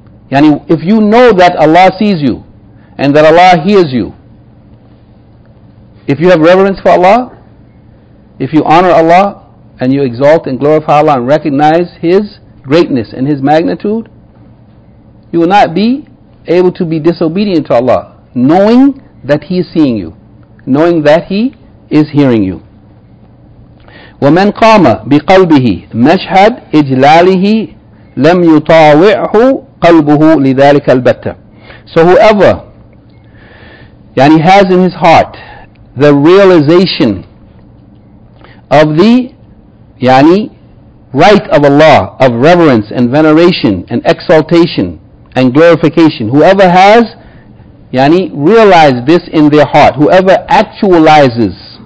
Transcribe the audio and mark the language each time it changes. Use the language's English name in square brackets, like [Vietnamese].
[English] Yani if you know that Allah sees you and that Allah hears you, if you have reverence for Allah, if you honor Allah and you exalt and glorify Allah and recognize His greatness and His magnitude, you will not be able to be disobedient to Allah, knowing that He is seeing you, knowing that He is hearing you. [Arabic] ومن قام بقلبه مشهد إجلاله لم يطاوعه قلبه لذلك البتة. [English] So whoever يعني has in his heart the realization of the يعني right of Allah, of reverence and veneration and exaltation and glorification, whoever has يعني realized this in their heart, whoever actualizes